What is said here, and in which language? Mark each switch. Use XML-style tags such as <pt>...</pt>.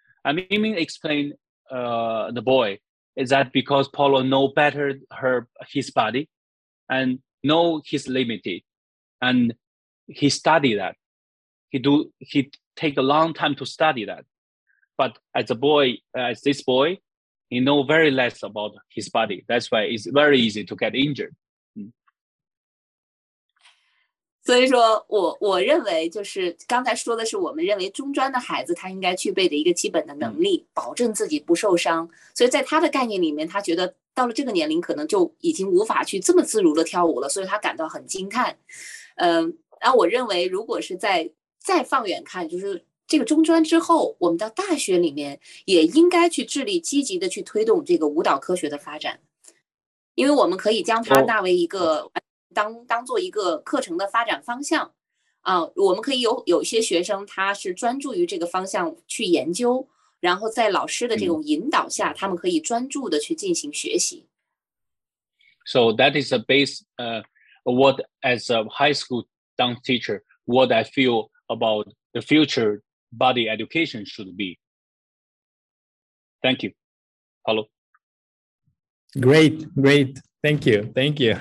<en>And Mimi explained the boy. Is that because Paulo know better his body and know his limited. And he study that. He take a long time to study that. But as a boy, as this boy, he know very less about his body. That's why it's very easy to get injured.</en> <zh>所以说我认为就是刚才说的是我们认为中专的孩子他应该具备的一个基本的能力，保证自己不受伤。所以在他的概念里面，他觉得到了这个年龄可能就已经无法去这么自如的跳舞了，所以他感到很惊叹。那我认为如果是再放远看，就是这个中专之后，我们到大学里面也应该去致力积极的去推动这个舞蹈科学的发展，因为我们可以将它纳为一个当做一个课程的发展方向，我们可以有些学生他是专注于这个方向去研究，然后在老师的这种引导下，他们可以专注的去进行学习。</zh> <en>So that is a base, what as a high school dance teacher, what I feel about the future body education should be. Thank you. Hello. Great. Thank you. Thank you.</en>